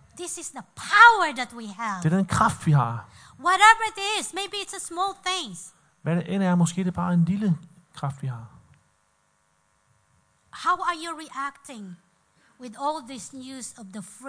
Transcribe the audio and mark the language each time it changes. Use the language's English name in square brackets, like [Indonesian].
[English] This is the power that we have. [Danish] Det er den kraft vi har. [English] Whatever it is, maybe it's a small thing. [Danish] Hvad det end er, måske det er bare en lille kraft vi har. [English] How are you reacting with all this news of the